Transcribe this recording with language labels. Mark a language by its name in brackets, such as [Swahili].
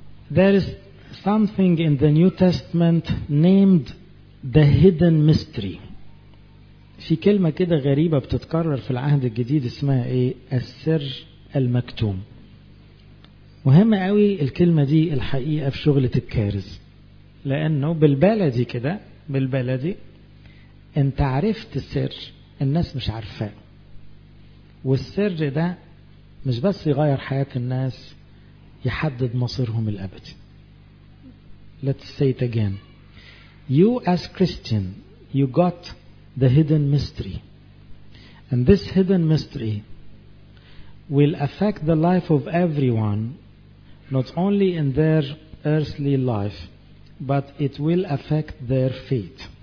[English] There is something in the New Testament named the hidden mystery. [Arabic] في كلمة كده غريبة بتتكرر في العهد الجديد اسمها ايه؟ السر المكتوم. مهم قوي الكلمة دي الحقيقة في شغلة الكارز، لانه بالبلدي كده، بالبلدي انت عرفت السر الناس مش عارفاه، والسر ده مش بس يغير حياة الناس، يحدد مصيرهم الأبدي. [English] Let's say it again. You as Christian, you got the hidden mystery. And this hidden mystery will affect the life of everyone, not only in their earthly life, but it will affect their faith.